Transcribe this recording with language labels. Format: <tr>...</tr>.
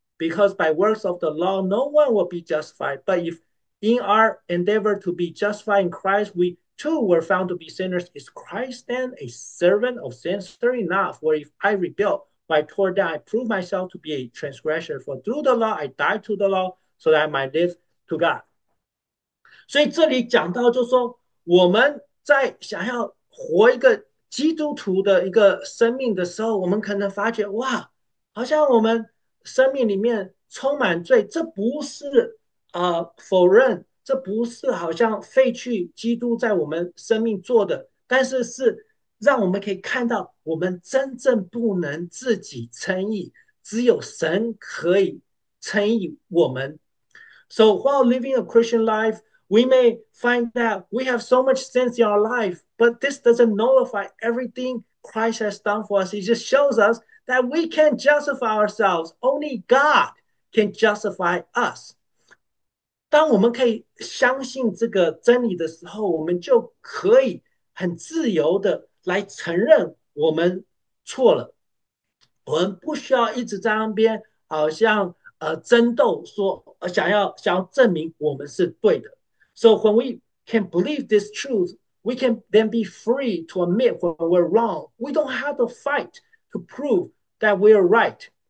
<en>Because by works of the law, no one will be justified. But if in our endeavor to be justified in Christ, we too were found to be sinners, is Christ then a servant of sin? Certainly not. For if I rebuild by tore down, I prove myself to be a transgressor. For through the law, I died to the law, so that I might live to God.</en> <zh>所以这里讲到，就是说我们在想要活一个基督徒的一个生命的时候，我们可能发觉，哇，好像我们生命里面充满罪，这不是否认，这不是好像废去基督在我们生命做的，但是是让我们可以看到，我们真正不能自己称义，只有神可以称义我们。</zh> <en>So while living a Christian life, we may find that we have so much sins in our life, but this doesn't nullify everything Christ has done for us. It just shows us that we can't justify ourselves. Only God can justify us.</en> <zh>当我们可以相信这个真理的时候，我们就可以很自由的来承认我们错了。我们不需要一直在那边好像争斗说，想要证明我们是对的。</zh> <en>So when we can believe this truth, we can then be free to admit when we're wrong. We don't have to fight to prove that we're right.</en>